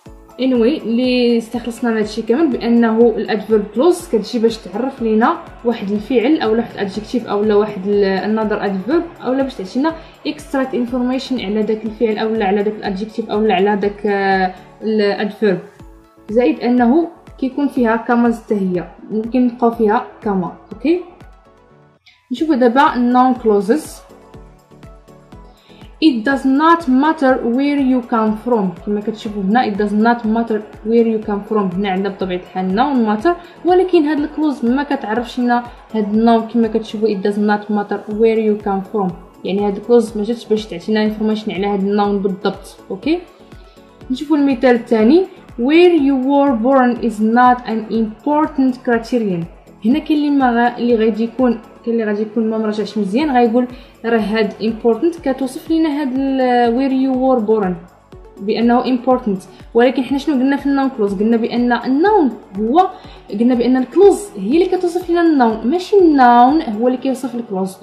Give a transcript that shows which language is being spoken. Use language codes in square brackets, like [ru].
[ar] anyway اللي استخلصنا من هذا الشيء كامل بانه الادفيرب كلوز كتجي باش تعرف لنا واحد الفعل او واحد الادجكتيف او لا واحد النظر ادفيرب او لا باش تعطينا اكستراكت انفورميشن على داك الفعل او لا على داك الادجكتيف او لا على داك الادفيرب، زائد انه كيكون فيها كما زتهي ممكن نبقاو فيها كما. اوكي، نشوفوا دابا النون كلوزز. [en] It does not matter where you come from. [ar] كما كتشوفوا هنا [en] it does not matter where you come from. [ar] هنا عندنا بطبيعة الحال noun matter، ولكن هاد الكلوز ما كتعرفش لنا هاد noun كما كتشوفوا [en] it does not matter where you come from. [ar] يعني هاد الكلوز ما جاتش باش تعطينا information على هاد noun بالضبط. اوكي، نشوفوا المثال الثاني. [en] Where you were born is not an important criterion. [ar] هنا كاين اللي غادي يكون كاين اللي غادي يكون ما مرجعش مزيان غايقول راه هاد important كتوصف لنا هاد [en] where you were born [ar] بانه important، ولكن حنا شنو قلنا في النون كلوز؟ قلنا بان النون هو قلنا بان الكلوز هي اللي كتوصف لنا النون، ماشي النون هو اللي كيوصف الكلوز.